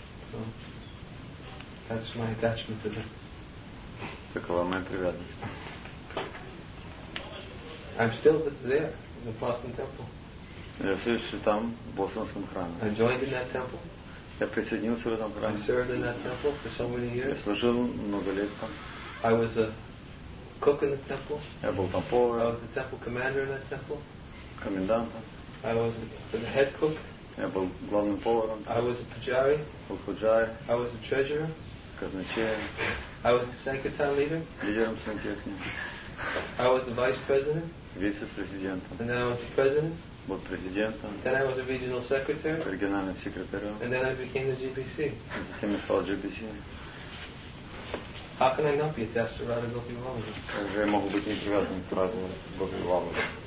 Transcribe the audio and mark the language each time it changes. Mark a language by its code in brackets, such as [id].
[en] So that's my attachment to them. [ru] Такова моя привязанность. [en] I'm still there in the Boston temple. [ru] Я все еще там, в Бостонском храме. [en] I joined in that temple. [ru] Я присоединился в этом храме. [en] I served in that temple for so many years. [ru] Я служил много лет там. [en] I was a cook in the temple. [ru] Я был там поваром. [en] I was the temple commander in that temple. [ru] Комендантом. [en] I was the head cook. [ru] Я был главным поваром. [en] I was a pujari. [ru] Был пуджари. [en] I was a treasurer. [ru] Казначеем. [en] I was the sankirtan leader. [ru] Лидером сангхи. [en] I was the vice president. [ru] Вице-президентом. [en] And then I was the president. [ru] Был президентом. [en] Then I was a regional secretary. [ru] Региональным секретарем. [en] And then I became the GBC. [ru] И затем я стал GBC. [en] How can I not be attached to Radha Gopi Valabhi? [ru] Как же я могу быть не привязан к Радха Гопи Валабхи?